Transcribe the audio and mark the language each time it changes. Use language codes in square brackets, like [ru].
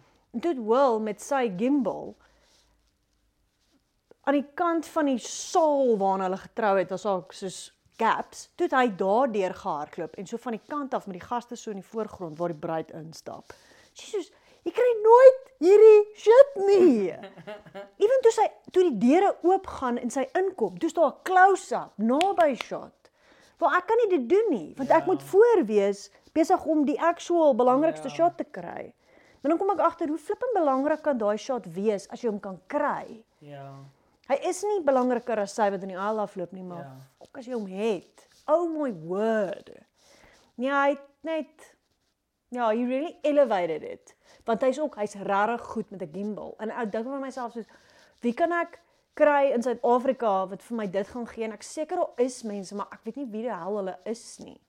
[af] En toe het Will met sy gimbal aan die kant van die saal waarna hulle getrou het, was ook soos gaps, toe het hy daar deur gehardloop en so van die kant af met die gaste so in die voorgrond waar die bruid instap. Jesus, jy kry nooit hierdie shit nie. Even toe sy, toe die deure oop gaan en sy inkom, toe is daar 'n close-up, naby shot. Want ek kan nie dit doen nie, want ek moet voor wees besig om die actual belangrikste shot te kry. Maar dan kom ek agter hoe flippend belangrik kan daai shot wees as jy hom kan kry. Hy is nie belangriker as sy wat in die aisle afloop nie, maar ook as jy hom het. Oh my word. Nee, hy het net, ja, [en] he really elevated it. [af] Want hy is ook, hy is rarig goed met 'n gimbal. En ek dink vir myself soos, wie kan ek kry in Suid-Afrika wat vir my dit gaan gee? En ek seker al is mense, maar ek weet nie wie die hel hulle is nie.